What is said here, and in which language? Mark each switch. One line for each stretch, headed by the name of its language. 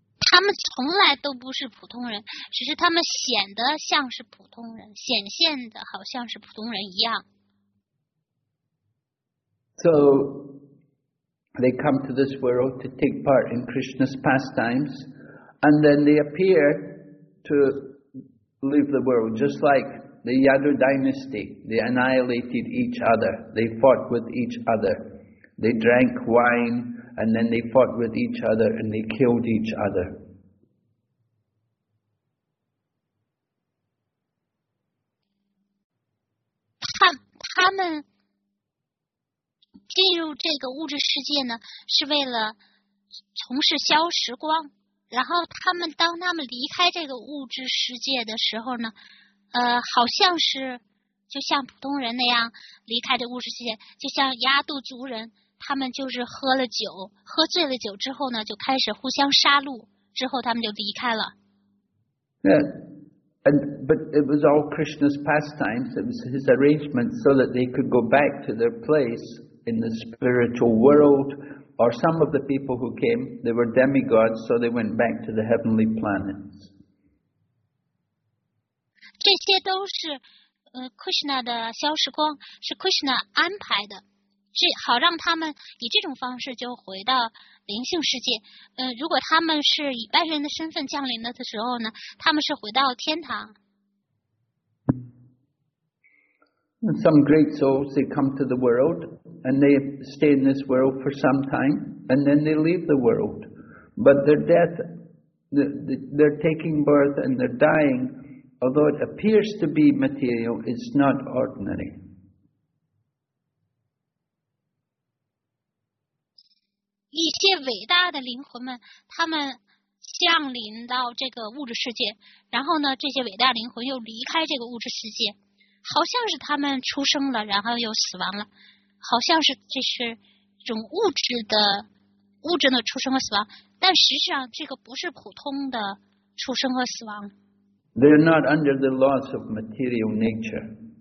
Chinese: 他们从来都不是普通人，只是他们显得像是普通人，显现的好像是普通人一样。
English: So they come to this world to take part in Krishna's pastimes, and then they appear to leave the world, just like the Yadu dynasty. They annihilated each other. They fought with each other. They drank wine, and then they fought with each other, and they killed each other.
Chinese: 他们进入这个物质世界呢，是为了从事消时光。然后他们当他们离开这个物质世界的时候呢，好像是就像普通人那样离开这物质世界，就像亚杜族人，他们就是喝了酒，喝醉了酒之后呢，就开始互相杀戮，之后他们就离开了。
English: Yeah. But it was all Krishna's pastimes. It was his arrangement so that they could go back to their place in the spiritual world. Or some of the people who came, they were demigods, so they went back to the heavenly planets.
Chinese: 这些都是Krishna 的消时光，是 Krishna 安排的。这好让他们以这种方式就回到灵性世界。如果他们是以半人的身份降临的时候呢，他们是回到天堂。
English: And some great souls, they come to the world and they stay in this world for some time and then they leave the world. But their death, they're taking birth and they're dying, although it appears to be material, it's not ordinary.
Chinese: 一些伟大的灵魂们，他们降临到这个物质世界，然后呢，这些伟大灵魂又离开这个物质世界。好像是他们出生了然后又死亡了，好像是这是一种物质的出生和死亡，但实际上这个不是普通的出生和死亡。
English: They are not under the laws of material nature.